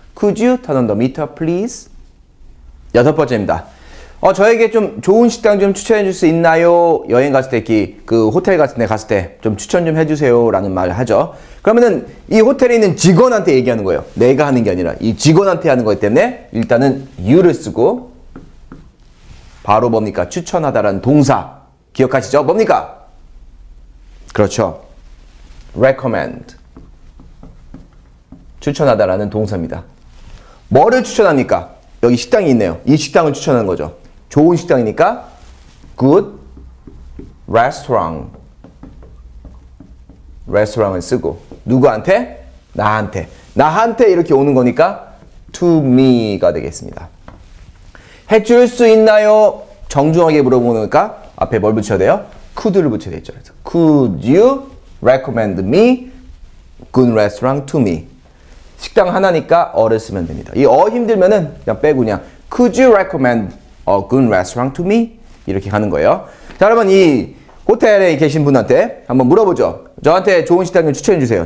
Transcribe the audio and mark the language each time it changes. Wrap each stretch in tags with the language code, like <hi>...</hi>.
<en>could you turn on the meter please.</en> <ko>여섯 번째입니다. 저에게 좀 좋은 식당 좀 추천해 줄 수 있나요? 여행 갔을 때, 그 호텔 같은 데 갔을 때 좀 추천 좀 해주세요 라는 말을 하죠. 그러면은 이 호텔에 있는 직원한테 얘기하는 거예요. 내가 하는 게 아니라 이 직원한테 하는 거기 때문에 일단은 you를 쓰고 바로 뭡니까? 추천하다라는 동사 기억하시죠? 뭡니까? 그렇죠. recommend 추천하다라는 동사입니다. 뭐를 추천합니까? 여기 식당이 있네요. 이 식당을 추천하는 거죠. 좋은 식당이니까</ko> <en>good restaurant.</en> <ko>restaurant을 쓰고 누구한테? 나한테. 나한테 이렇게 오는 거니까 to me가 되겠습니다. 해줄 수 있나요? 정중하게 물어보는 거니까 앞에 뭘 붙여야 돼요? could를 붙여야 되겠죠. 그래서</ko> <en>could you recommend me good restaurant to me?</en> <ko>식당 하나니까 어를 쓰면 됩니다. 이 어 힘들면은 그냥 빼고 그냥</ko> <en>Could you recommend a good restaurant to me?</en> <ko>이렇게 가는 거예요. 자, 여러분 이 호텔에 계신 분한테 한번 물어보죠. 저한테 좋은 식당 좀 추천해 주세요.</ko>